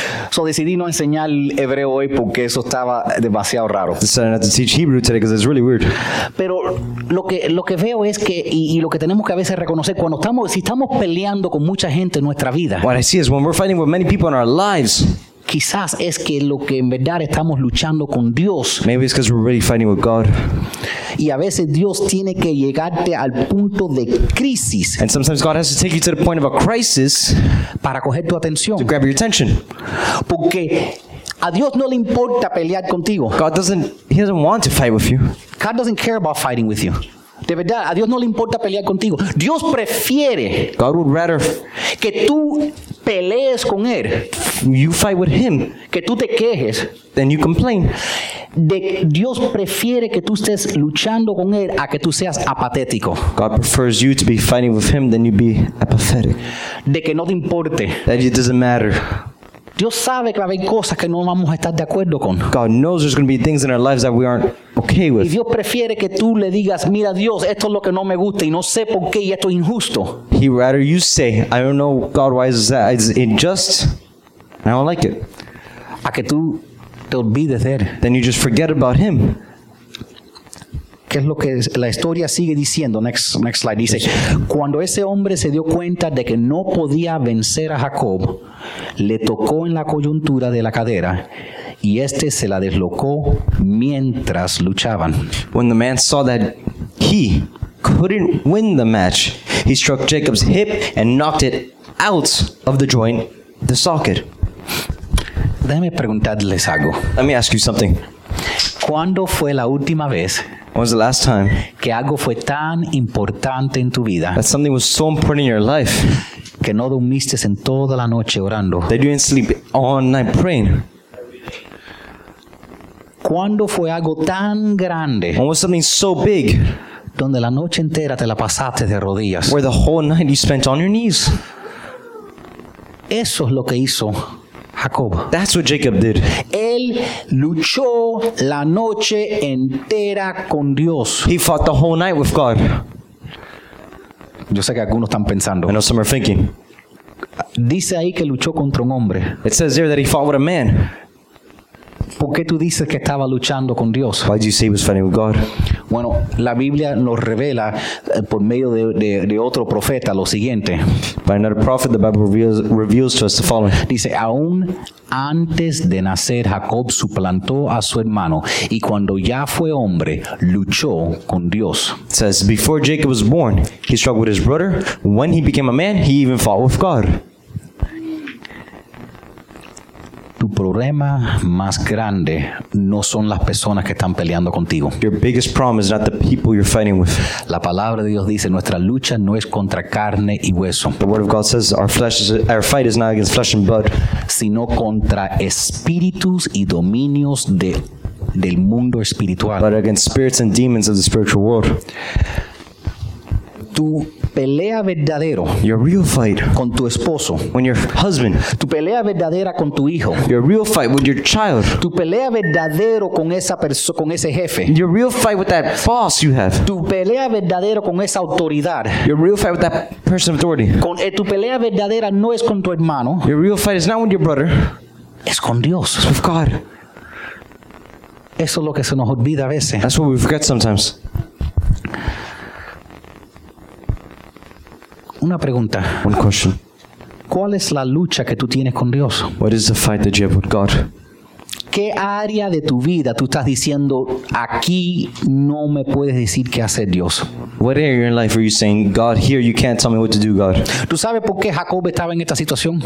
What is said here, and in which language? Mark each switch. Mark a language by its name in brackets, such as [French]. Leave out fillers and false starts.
[Spanish] So decidí no enseñar hebreo hoy porque eso estaba demasiado raro. [English] Decided not to teach Hebrew today because it's really weird. [Spanish] Pero lo que veo es que y lo que tenemos que a veces reconocer cuando estamos, si estamos peleando con mucha gente en nuestra vida. [English] What I see is when we're fighting with many people in our lives. [Spanish] Quizás es que lo que en verdad estamos luchando con Dios. [English] Maybe it's because we're really fighting with God. [Spanish] Y a veces Dios tiene que llegarte al punto de crisis. [English] And sometimes God has to take you to the point of a crisis. [Spanish] Para coger tu atención. [English] To grab your attention. [Spanish] Porque a Dios no le importa pelear contigo. [English] He doesn't want to fight with you. God doesn't care about fighting with you. [Spanish] De verdad, a Dios no le importa pelear contigo. Dios prefiere [English] God would rather [Spanish] que tú pelees con él. [English] You fight with him. [Spanish] Que tú te quejes. [English] Then you complain. [Spanish] Dios prefiere que tú estés luchando con él a que tú seas apatético. [English] God prefers you to be fighting with him than you be apathetic. [Spanish] De que no te importe. [English] That it doesn't matter. [Spanish] Dios sabe que va a haber cosas que no vamos a estar de acuerdo con. [English] God knows there's going to be things in our lives that we aren't okay with. [Spanish] Y Dios prefiere que tú le digas, mira Dios, esto es lo que no me gusta y no sé por qué y esto es injusto. [English] He rather you say, I don't know God, why is that? It's unjust. I don't like it. [Spanish] A que tú te olvides de él. [English] Then you just forget about him. [Spanish] Que es lo que la historia sigue diciendo. [English] Next slide [Spanish] dice, cuando ese hombre se dio cuenta de que no podía vencer a Jacob, le tocó en la coyuntura de la cadera y este se la deslocó mientras luchaban. [English] When the man saw that he couldn't win the match, he struck Jacob's hip and knocked it out of the joint, the socket. [Spanish] Déjame preguntarles algo. [English] Let me ask you something. [Spanish] ¿Cuándo fue la última vez? [English] When was the last time [Spanish] que algo fue tan importante en tu vida, [English] that something was so important in your life [Spanish] que no dormiste en toda la noche orando, [English] that you didn't sleep all night praying? [Spanish] ¿Cuándo fue algo tan grande, [English] when was something so big [Spanish] donde la noche entera te la pasaste de rodillas, [English] where the whole night you spent on your knees? [Spanish] Eso es lo que hizo Jacob. [English] That's what Jacob did. [Spanish] Él luchó la noche entera con Dios. [English] He fought the whole night with God. [Spanish] Yo sé que algunos están pensando. [English] I know some are thinking. [Spanish] Dice ahí que luchó contra un hombre. [English] It says there that he fought with a man. [Spanish] ¿Por qué tú dices que estaba luchando con Dios? [English] Why do you say he was fighting with God? [Spanish] Bueno, la Biblia nos revela por medio de otro profeta lo siguiente. [English] By another prophet, the Bible reveals to us the following. [Spanish] Dice, aún antes de nacer, Jacob suplantó a su hermano, y cuando ya fue hombre, luchó con Dios. [English] It says, before Jacob was born, he struggled with his brother. When he became a man, he even fought with God. [Spanish] Tu problema más grande no son las personas que están peleando contigo. [English] Your biggest problem is not the people you're fighting with. [Spanish] La palabra de Dios dice, nuestra lucha no es contra carne y hueso. [English] The word of God says, our fight is not against flesh and blood. [Spanish] Sino contra espíritus y dominios del mundo espiritual. [English] But against spirits and demons of the spiritual world. [Spanish] Tú pelea verdadero, [English] your real fight, [Spanish] con tu esposo, [English] when your husband, [Spanish] tu pelea verdadera con tu hijo, [English] your real fight with your child, [Spanish] tu pelea verdadero con esa persona, con ese jefe, [English] your real fight with that boss you have, [Spanish] tu pelea verdadero con esa autoridad, [English] your real fight with that person of authority, [Spanish] con tu pelea verdadera no es con tu hermano, [English] your real fight is not with your brother, [Spanish] es con Dios, [English] it's with God. [Spanish] Eso es lo que se nos olvida a veces. [English] That's what we forget sometimes. [Spanish] Una pregunta. [English] One question. [Spanish] ¿Cuál es la lucha que tú tienes con Dios? [English] What is the fight that you have with God? [Spanish] ¿Qué área de tu vida tú estás diciendo aquí no me puedes decir qué hacer Dios? [English] What area in life are you saying, God, here you can't tell me what to do, God? [Spanish] ¿Tú sabes por qué Jacob estaba en esta situación?